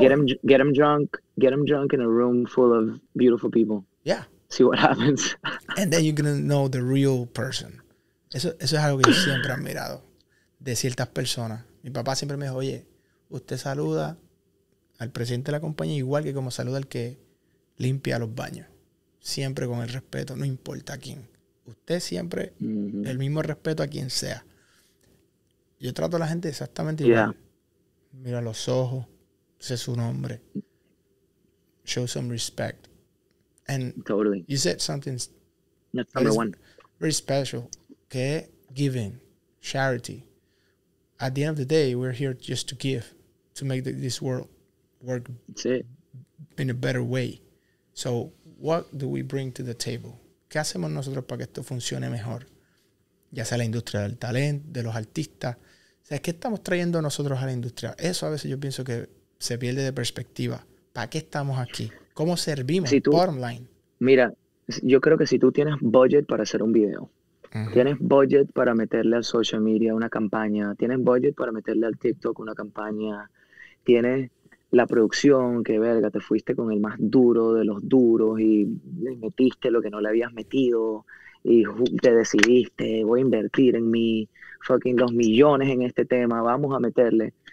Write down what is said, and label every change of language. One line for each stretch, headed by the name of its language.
English: Get them drunk in a room full of beautiful people. Yeah. See what happens. And then you're going to know the real person.
Spanish: Eso es algo que yo siempre he admirado de ciertas personas. Mi papá siempre me dijo, oye, usted saluda al presidente de la compañía igual que como saluda al que limpia los baños. Siempre con el respeto, no importa a quién. Usted siempre, el mismo respeto a quien sea. Yo trato a la gente exactamente igual.
English: Yeah.
Spanish: Mira los ojos, sé su nombre.
English: Show some respect. And totally. You said something. Number one. Very special. Giving, charity. At the end of the day, we're here just to give, to make this world work in a better way. So what do we bring to the table?
Spanish: ¿Qué hacemos nosotros para que esto funcione mejor? Ya sea la industria del talento, de los artistas. O sea, ¿qué estamos trayendo nosotros a la industria? Eso a veces yo pienso que se pierde de perspectiva. ¿Para qué estamos aquí? ¿Cómo servimos? Si tú,
English: bottom line.
Spanish: Mira, yo creo que si tú tienes budget para hacer un video, tienes budget para meterle al social media una campaña, tienes budget para meterle al TikTok una campaña, tienes la producción, que verga, te fuiste con el más duro de los duros y le metiste lo que no le habías metido y te decidiste, voy a invertir en mi fucking los millones en este tema, vamos a meterle.